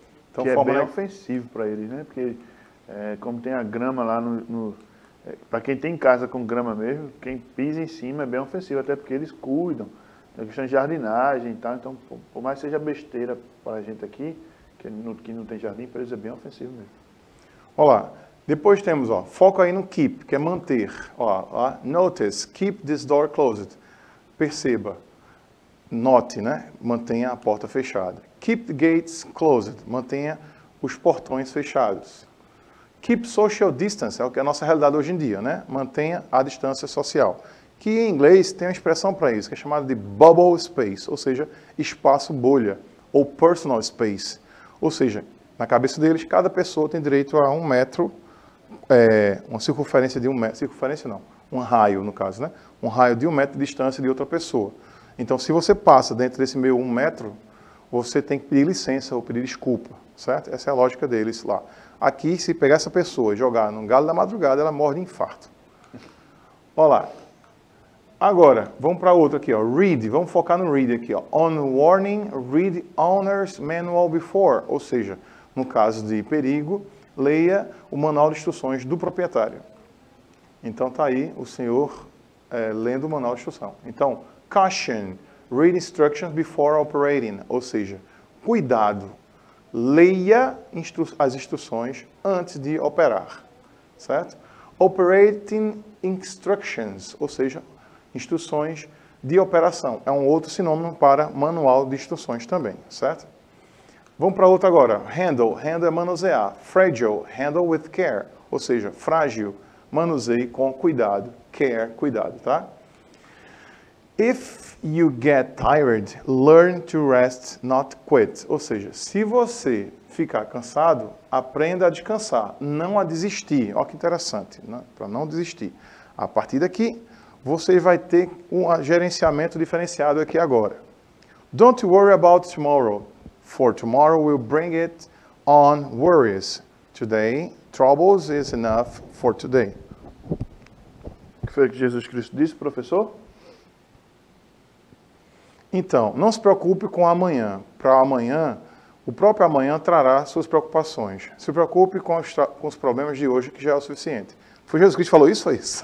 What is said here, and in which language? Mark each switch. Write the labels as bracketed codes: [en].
[pt] Então, que é bem ofensivo para eles, né? Porque é, como tem a grama lá no para quem tem casa com grama mesmo, quem pisa em cima é bem ofensivo, até porque eles cuidam. Tem a questão de jardinagem e tal. Então, por mais que seja besteira para a gente aqui, que não tem jardim, para eles é bem ofensivo mesmo. Olha lá. Depois temos, ó, foco aí no keep, que é manter. [en] Ó, notice, keep this door closed. [pt] Perceba. Note, né? Mantenha a porta fechada. [en] Keep the gates closed. [pt] Mantenha os portões fechados. [en] Keep social distance. [pt] É o que é a nossa realidade hoje em dia, né? Mantenha a distância social. Que em inglês tem uma expressão para isso, que é chamada de bubble space, ou seja, espaço bolha, ou personal space. Ou seja, na cabeça deles, cada pessoa tem direito a um metro, uma circunferência de um metro, circunferência não, um raio no caso, né? Um raio de um metro de distância de outra pessoa. Então, se você passa dentro desse meio um metro, você tem que pedir licença ou pedir desculpa, certo? Essa é a lógica deles lá. Aqui, se pegar essa pessoa e jogar num galo da madrugada, ela morre de infarto. Olha lá. Agora, vamos para outra aqui, ó. Read, vamos focar no read aqui, ó. [en] On warning, read owner's manual before. [pt] Ou seja, no caso de perigo, leia o manual de instruções do proprietário. Então, está aí o senhor lendo o manual de instrução. [en] Então, caution, read instructions before operating. [pt] Ou seja, cuidado, leia as instruções antes de operar, certo? [en] Operating instructions, [pt] ou seja, instruções de operação. É um outro sinônimo para manual de instruções também, certo? Vamos para outro agora. Handle. Handle é manusear. [en] Fragile. Handle with care. [pt] Ou seja, frágil. Manuseie com cuidado. Care. Cuidado, tá? [en] If you get tired, learn to rest, not quit. [pt] Ou seja, se você ficar cansado, aprenda a descansar, não a desistir. Olha que interessante, né? Para não desistir. A partir daqui, você vai ter um gerenciamento diferenciado aqui agora. [en] Don't worry about tomorrow, for tomorrow will bring it on worries. Today, troubles is enough for today. [pt] O que foi que Jesus Cristo disse, professor? Então, não se preocupe com amanhã. Para amanhã, O próprio amanhã trará suas preocupações. Se preocupe com os problemas de hoje, que já é o suficiente. Foi Jesus Cristo que falou isso? Foi isso?